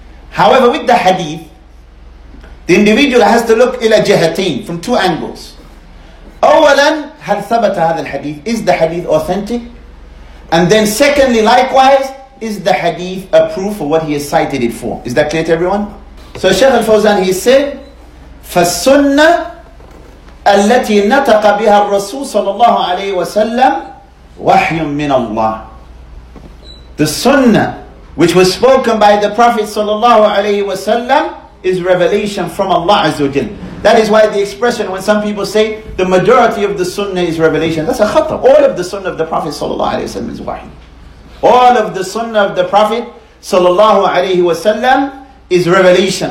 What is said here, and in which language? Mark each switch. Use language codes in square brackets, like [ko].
[en] However, with the hadith, the individual has to look [ar] ila jihatayn, [en] from two angles. [ar] أولاً, هل ثبت هذا الحديث? [en] Is the hadith authentic? And then secondly, likewise, is the hadith a proof of what he has cited it for? Is that clear to everyone? So Shaykh al-Fawzan, he said, [ar] فَالسُنَّةِ أَلَّتِي نَتَقَ بِهَا الرَّسُولُ صَلَى اللَّهُ عَلَيْهِ وَسَلَّمْ وَحْيٌ مِّنَ اللَّهِ. [en] The sunnah which was spoken by the Prophet sallallahu alayhi wa sallam is revelation from Allah Azza wa Jal. That is why the expression, when some people say the majority of the sunnah is revelation, that's a khatr. All of the sunnah of the Prophet sallallahu alayhi wa sallam is wahy. All of the sunnah of the Prophet sallallahu alayhi wa sallam is revelation.